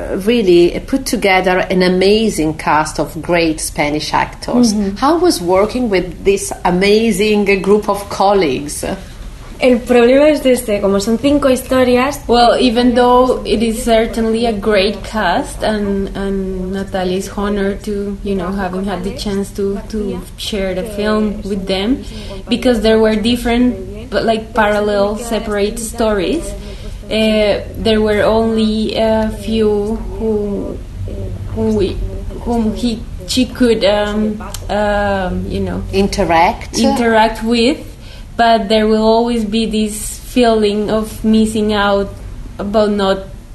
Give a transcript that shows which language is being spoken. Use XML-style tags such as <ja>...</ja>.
<en>Really put together an amazing cast of great Spanish actors. Mm-hmm. How was working with this amazing group of colleagues?</en> <es>El problema es este, como son cinco historias.</es> <en>Well, even though it is certainly a great cast, and Natalia is honored to, having had the chance to share the film with them, because there were different, but like parallel, separate stories. There were only a few who she could interact with, but there will always be this feeling of missing out, about not</en>